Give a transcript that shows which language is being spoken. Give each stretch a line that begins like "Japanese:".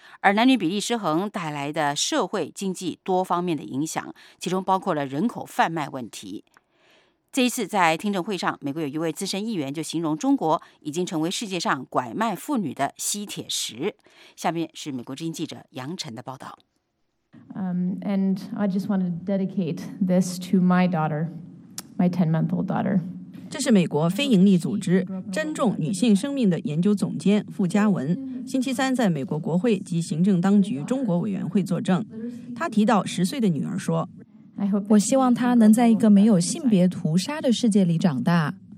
Chinese: 而男女比例失衡带来的社会经济多方面的影响，其中包括了人口贩卖问题。这一次在听证会上，美国有一位资深议员就形容中国已经成为世界上拐卖妇女的吸铁石。下面是美国之音记者杨晨的报道。
English: And I just want to dedicate this to my daughter, my 10-month-old daughter.
Chinese: 这是美国非营利组织珍重女性生命的研究总监傅嘉文星期三在美国国会及行政当局中国委员会作证。他提到10岁的女儿说，我希望她能在一个没有性别屠杀的世界里长大。